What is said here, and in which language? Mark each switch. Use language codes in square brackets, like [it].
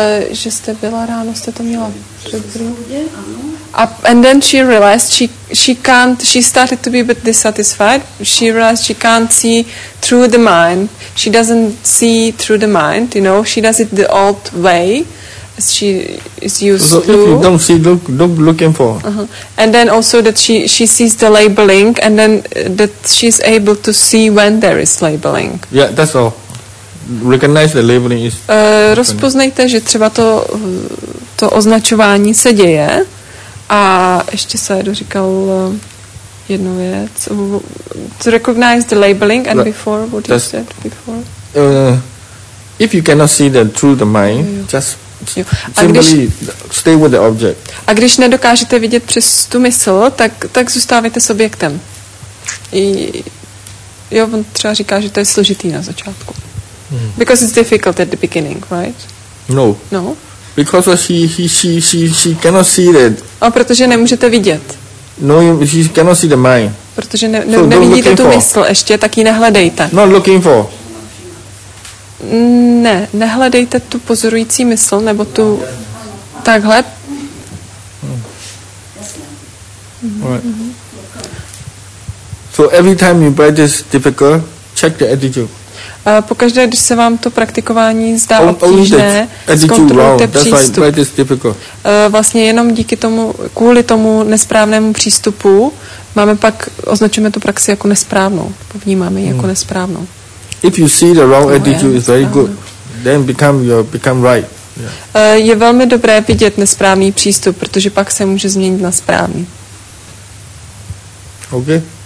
[cs] Že jste byla ráno, jste to měla předbrý. [en] And then she realized she started to be a bit dissatisfied. She realized she can't see through the mind. She doesn't see through the mind, you know. She does it the old way as she is used to. If you don't see, look looking for. And then also that she sees the labeling and then that she's able to see when there is labeling. Yeah, that's all. Recognize the labeling is [cs] rozpoznejte, že třeba to označování se děje. A ještě se doříkal jednu věc. [en] To recognize the labeling and before what you said before. If you cannot see that through the mind, simply stay with the object. [cs] A když nedokážete vidět přes tu mysl, tak zůstávejte s objektem. Jo, on třeba říká, že to je složitý na začátku. [en] Because it's difficult at the beginning, right? No. Because she cannot see that. [cs] A protože nemůžete vidět. [en] No, she cannot see the mind. [cs] Protože nevidíte tu mysl ještě, tak ji nehledejte. [en] Not looking for. [cs] Ne, nehledejte tu pozorující mysl, nebo tu takhle. [en] Right. So every time you practice difficult, check the attitude. [cs] Pokaždé, když se vám to praktikování zdá obtížné, zkontrolujte přístup. Vlastně jenom díky tomu, kvůli tomu nesprávnému přístupu, máme pak, označujeme tu praxi jako nesprávnou. Povnímáme ji jako nesprávnou. [en] If you see the wrong attitude, it's very good. Then become right. Yeah. [cs] Je velmi dobré vidět nesprávný přístup, protože pak se může změnit na správný. [en] OK. Yeah.